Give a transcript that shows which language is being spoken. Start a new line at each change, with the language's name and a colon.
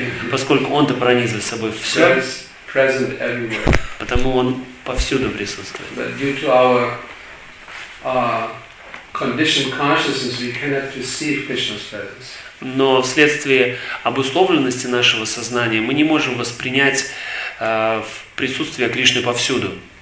Russian: Поскольку Он-то пронизывает собой все.
English: Present everywhere.
Russian: Потому Он повсюду присутствует.
English: But due to our conditioned consciousness, we cannot perceive Krishna's presence.
Russian: Но вследствие обусловленности нашего сознания мы не можем воспринять присутствие Кришны повсюду.